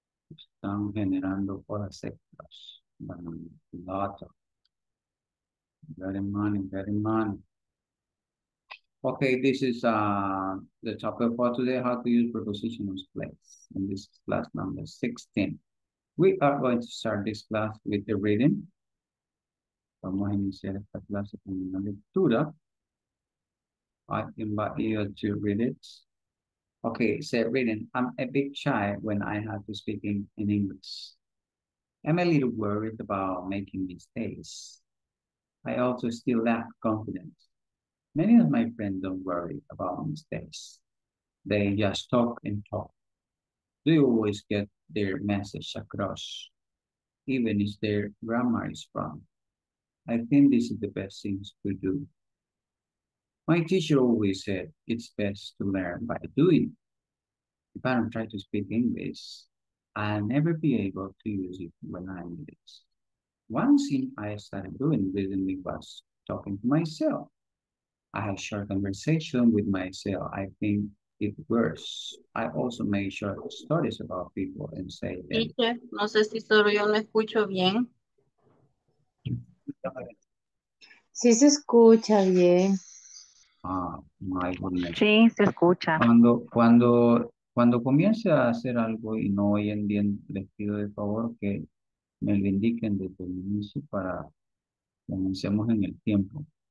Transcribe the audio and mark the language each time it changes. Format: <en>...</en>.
<es>Están generando horas extras. Bueno, lato.</es> <en>Very money. Okay, this is the topic for today, how to use prepositions place. And this is class number 16. We are going to start this class with the reading.</en> <es>Vamos a iniciar esta clase con una lectura.</es> <en>I invite you to read it. Okay, said reading, I'm a bit shy when I have to speak in English. I'm a little worried about making mistakes. I also still lack confidence. Many of my friends don't worry about mistakes. They just talk and talk. They always get their message across, even if their grammar is wrong. I think this is the best thing to do. My teacher always said it's best to learn by doing. If I don't try to speak English, I'll never be able to use it when I need it. One thing I started doing recently was talking to myself. I had short conversation with myself. I think it works. I also made short stories about people and say that.</en> <es>No sé si solo yo me escucho bien. Sí se escucha bien.</es> <en>Ah, my goodness.</en> <es>Sí, se escucha. Cuando comience a hacer algo y no oyen bien, les pido de favor que me lo indiquen desde el inicio para que comencemos en el tiempo.</es>